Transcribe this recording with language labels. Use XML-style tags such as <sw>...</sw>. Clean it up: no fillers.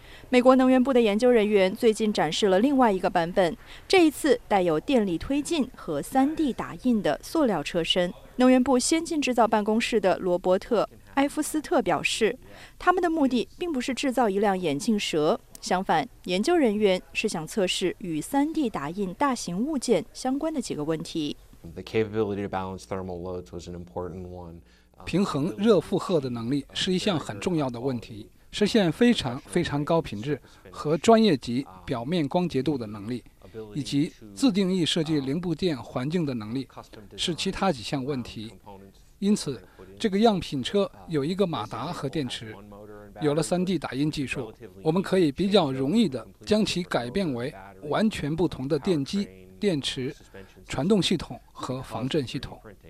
<zh>美国能源部的研究人员最近展示了另外一个版本，这一次带有电力推进和 3D 打印的塑料车身。能源部先进制造办公室的罗伯特·埃夫斯特表示，他们的目的并不是制造一辆眼镜蛇，相反，研究人员是想测试与 3D 打印大型物件相关的几个问题。</zh> <en>The capability to balance thermal loads was an important one.</en> <zh>平衡热负荷的能力是一项很重要的问题，实现非常非常高品质和专业级表面光洁度的能力，以及自定义设计零部件环境的能力，是其他几项问题。因此，这个样品车有一个马达和电池，有了 3D 打印技术，我们可以比较容易地将其改变为完全不同的电机、电池、传动系统和防震系统。</zh>